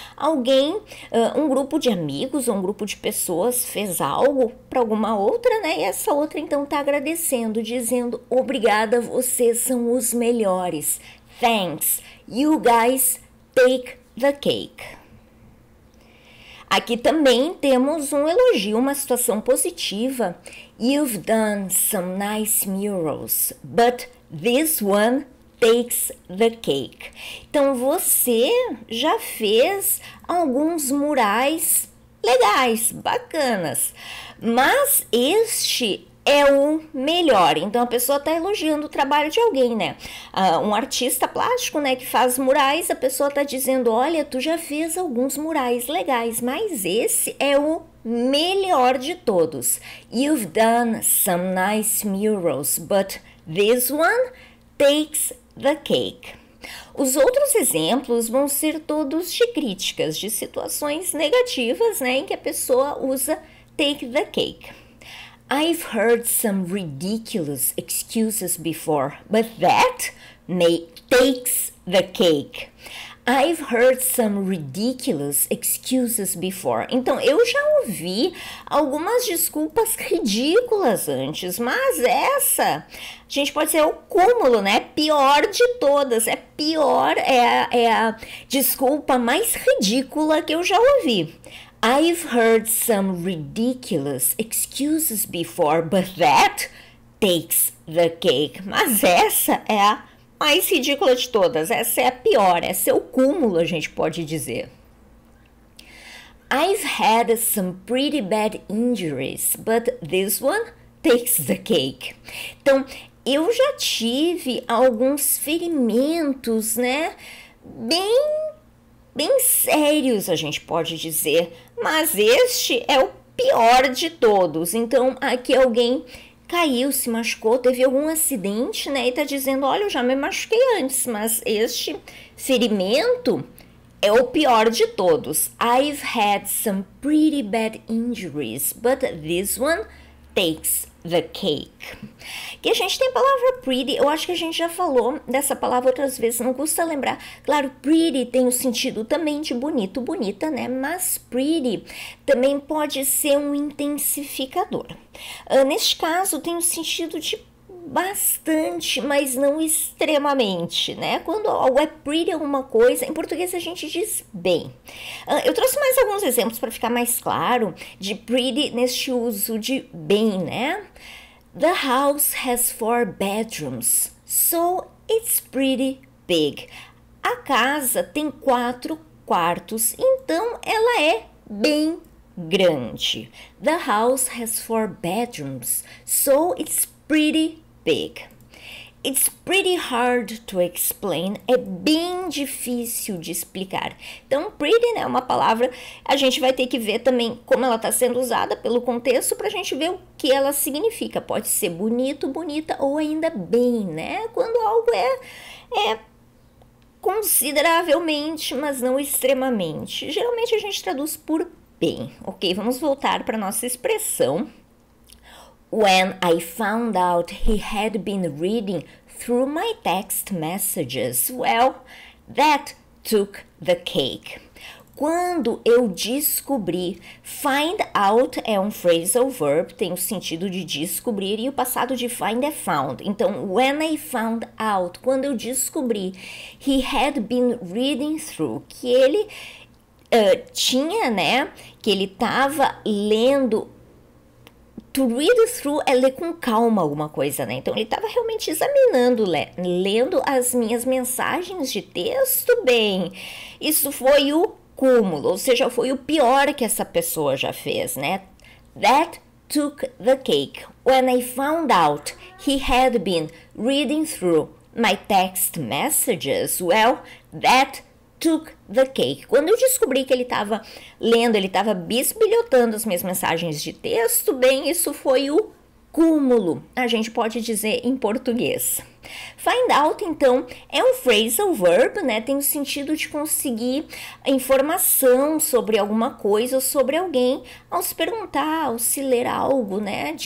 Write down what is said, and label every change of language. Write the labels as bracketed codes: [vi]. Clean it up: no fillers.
[pt] Alguém, um grupo de amigos ou um grupo de pessoas fez algo para alguma outra, né? E essa outra então tá agradecendo, dizendo obrigada, vocês são os melhores. [en] Thanks, you guys take the cake. [pt] Aqui também temos um elogio, uma situação positiva. [en] You've done some nice murals, but this one takes the cake. [pt] Então você já fez alguns murais legais, bacanas, mas este é o melhor. Então a pessoa está elogiando o trabalho de alguém, né? Um artista plástico, né, que faz murais, a pessoa está dizendo: olha, tu já fez alguns murais legais, mas esse é o melhor de todos. [en] You've done some nice murals, but this one takes the cake. [pt] Os outros exemplos vão ser todos de críticas, de situações negativas, né, em que a pessoa usa take the cake. [en] I've heard some ridiculous excuses before, but that takes the cake. I've heard some ridiculous excuses before. [pt] Então, eu já ouvi algumas desculpas ridículas antes, mas essa, a gente pode dizer, é o cúmulo, né? Pior de todas. É pior, é a desculpa mais ridícula que eu já ouvi. [en] I've heard some ridiculous excuses before, but that takes the cake. [pt] Mas essa é a mais ridícula de todas, essa é a pior, essa é o cúmulo, a gente pode dizer. [en] I've had some pretty bad injuries, but this one takes the cake. [pt] Então, eu já tive alguns ferimentos, né? Bem sérios, a gente pode dizer, mas este é o pior de todos. Então, aqui alguém caiu, se machucou, teve algum acidente, né? E tá dizendo: olha, eu já me machuquei antes, mas este ferimento é o pior de todos. [en] I've had some pretty bad injuries, but this one takes the cake. [pt] E a gente tem a palavra pretty, eu acho que a gente já falou dessa palavra outras vezes, não custa lembrar. Claro, pretty tem o sentido também de bonito, bonita, né? Mas pretty também pode ser um intensificador. Neste caso, tem o sentido de bastante, mas não extremamente, né? Quando algo é pretty alguma coisa, em português a gente diz bem. Eu trouxe mais alguns exemplos para ficar mais claro de pretty neste uso de bem, né? [en] The house has four bedrooms, so it's pretty big. [pt] A casa tem quatro quartos, então ela é bem grande. [en] The house has four bedrooms, so it's pretty big. It's pretty hard to explain. [pt] É bem difícil de explicar. Então, pretty, né, é uma palavra. A gente vai ter que ver também como ela está sendo usada pelo contexto para a gente ver o que ela significa. Pode ser bonito, bonita ou ainda bem, né? Quando algo é consideravelmente, mas não extremamente. Geralmente a gente traduz por bem, ok? Vamos voltar para nossa expressão. [en] When I found out he had been reading through my text messages, well, that took the cake. [pt] Quando eu descobri, find out é um phrasal verb, tem o sentido de descobrir, e o passado de find é found. Então, [en] when I found out, [pt] quando eu descobri, [en] he had been reading through, [pt] que ele tinha, né, que ele estava lendo. To read through é ler com calma alguma coisa, né? Então ele estava realmente examinando, lendo as minhas mensagens de texto bem. Isso foi o cúmulo, ou seja, foi o pior que essa pessoa já fez, né? [en] That took the cake. When I found out he had been reading through my text messages, well, that took the cake. [pt] Quando eu descobri que ele estava lendo, ele estava bisbilhotando as minhas mensagens de texto, bem, isso foi o cúmulo, a gente pode dizer em português. Find out, então, é um phrasal verb, né? Tem o sentido de conseguir informação sobre alguma coisa ou sobre alguém ao se perguntar, ao se ler algo, né?